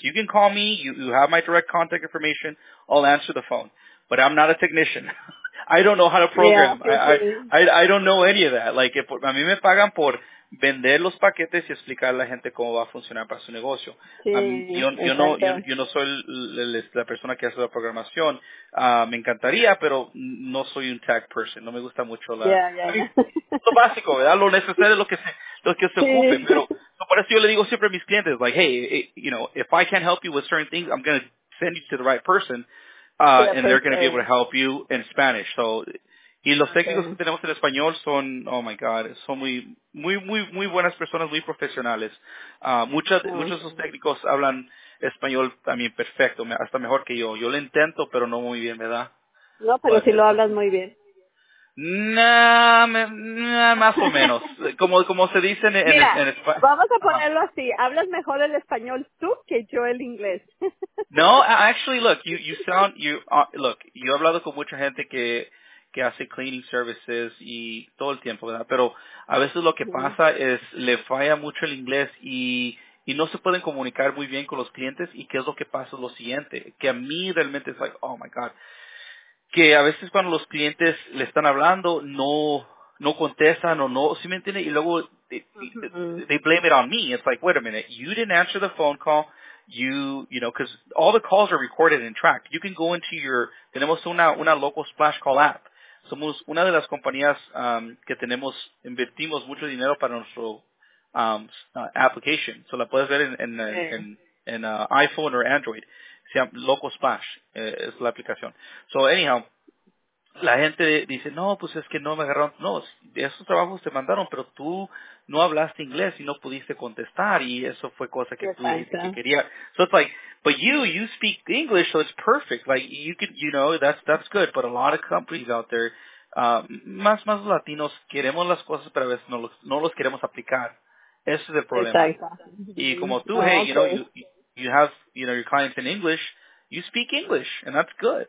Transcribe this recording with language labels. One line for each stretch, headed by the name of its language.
English: You can call me, you have my direct contact information, I'll answer the phone. But I'm not a technician. I don't know how to program. Yeah, I don't know any of that.
Spanish: Like, a mí me pagan por vender los paquetes y explicar a la gente cómo va a funcionar para su negocio. Sí, yo no soy la persona que hace la programación. Me encantaría, pero no soy un
English: tech person.
Spanish: No me gusta mucho lo básico, ¿verdad? Lo necesario, lo que se ocupe. Pero por eso yo le digo siempre a mis clientes,
English: like, hey, you know, if I can't help you with certain things, I'm going to send you to the right person. And they're going to be able to help you in Spanish.
Spanish: So, y los técnicos que tenemos en español son,
English: oh my God,
Spanish: son muy, muy, muy, muy buenas personas, muy profesionales. Muchos de esos técnicos hablan español también perfecto, hasta mejor que yo. Yo lo intento, pero no muy bien, ¿verdad? No, pero si lo hablas muy bien. Nah, más o menos. como se dice en español. Vamos a ponerlo así. Hablas mejor el español tú que yo el inglés. No,
English: actually, look, look,
Spanish: yo he hablado con mucha gente que hace cleaning services y todo el tiempo, ¿verdad? Pero a veces lo que pasa es le falla mucho el inglés y no se pueden comunicar muy bien con los clientes. ¿Y qué es lo que pasa? Lo siguiente, que a mí realmente es
English: like, oh my God.
Spanish: Que a veces cuando los clientes le están hablando, no contestan o no, ¿sí me entiende? Y luego,
English: they blame it on me. It's like, wait a minute, you didn't answer the phone call. You know, because all the calls are recorded and tracked. You can go into your,
Spanish: tenemos una
English: local Splash Call app.
Spanish: Somos una de las compañías que tenemos, invertimos mucho dinero para nuestro application. So la puedes ver en iPhone or Android. Se llama Local Splash, es la aplicación.
English: So, anyhow,
Spanish: la gente dice, no, pues es que no me agarraron. No, de esos trabajos te mandaron, pero tú no hablaste inglés y no pudiste contestar. Y eso fue cosa que tú dijiste que querías.
English: So, it's like, but you speak English, so it's perfect. Like, that's good. But a lot of companies out there,
Spanish: más latinos, queremos las cosas, pero a veces no los queremos aplicar. Ese es el problema. Exacto. Y como tú,
English: hey, you know, you have, you know, your clients in English, you speak English, and that's good.